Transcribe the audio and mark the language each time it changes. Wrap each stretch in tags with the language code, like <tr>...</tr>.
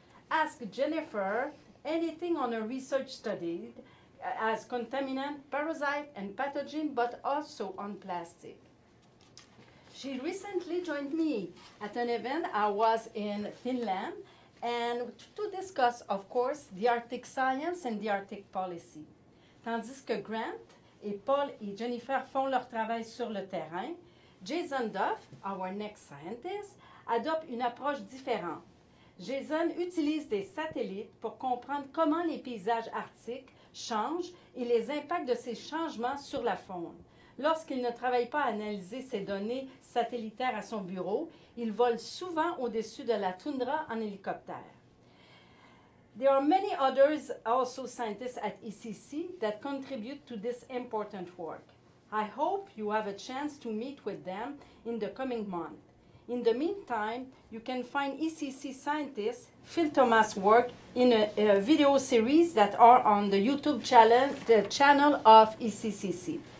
<en>Ask Jennifer anything on her research studied as contaminant, parasite, and pathogen, but also on plastic. She recently joined me at an event I was in Finland and to discuss, of course, the Arctic science and the Arctic policy.</en> <fr>Tandis que Grant et Paul et Jennifer font leur travail sur le terrain, Jason Duff,</fr> <en>our next scientist,</en> <fr>adopte une approche différente. Jason utilise des satellites pour comprendre comment les paysages arctiques changent et les impacts de ces changements sur la faune. Lorsqu'il ne travaille pas à analyser ses données satellitaires à son bureau, il vole souvent au-dessus de la tundra en hélicoptère.</fr> <en>There are many others also scientists at ECCC that contribute to this important work. I hope you have a chance to meet with them in the coming month. In the meantime, you can find ECCC scientist Phil Thomas' work in a video series that are on the YouTube channel of ECCC.</en>